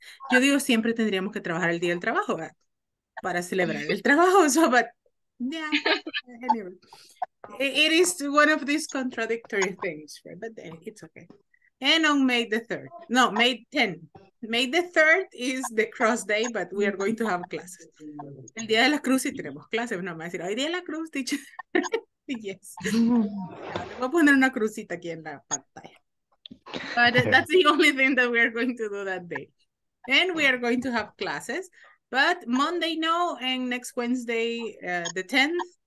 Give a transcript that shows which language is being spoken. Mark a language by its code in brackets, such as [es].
[es] Yo digo, siempre tendríamos que trabajar el día del trabajo, ¿verdad? Para celebrar el trabajo. [en] So, but yeah, anyway. It is one of these contradictory things, right? But it's okay. And on May the 3rd, no, May 10th. May the 3rd is the cross day, but we are going to have classes. [es] El día de la cruz y tenemos clases. No me va a decir, hoy día de la cruz, [en] teacher. Yes. [es] Le voy a poner una crucita aquí en la pantalla. [en] But that's the only thing that we are going to do that day. And we are going to have classes. But Monday, no, and next Wednesday, the 10th.